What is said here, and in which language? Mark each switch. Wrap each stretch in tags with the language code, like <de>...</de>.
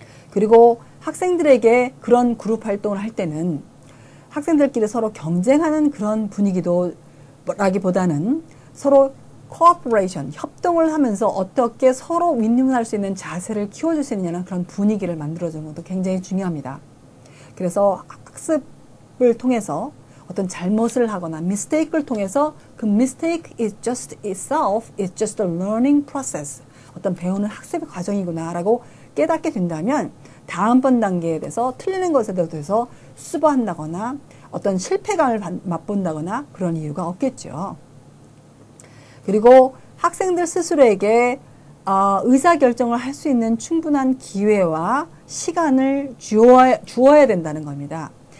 <ko>그리고 학생들에게 그런 그룹 활동을 할 때는 학생들끼리 서로 경쟁하는 그런 분위기도 라기보다는 서로 cooperation, 협동을 하면서 어떻게 서로 윈윈할 수 있는 자세를 키워줄 수 있느냐는 그런 분위기를 만들어주는 것도 굉장히 중요합니다. 그래서 학습을 통해서 어떤 잘못을 하거나 mistake를 통해서 그</ko> <en>mistake is just itself, it's just a learning process.</en> <ko>어떤 배우는 학습의 과정이구나라고 깨닫게 된다면 다음번 단계에 대해서 틀리는 것에 대해서 수반한다거나 어떤 실패감을 맛본다거나 그런 이유가 없겠죠. 그리고 학생들 스스로에게 의사결정을 할 수 있는 충분한 기회와 시간을 주어야 된다는 겁니다.</ko>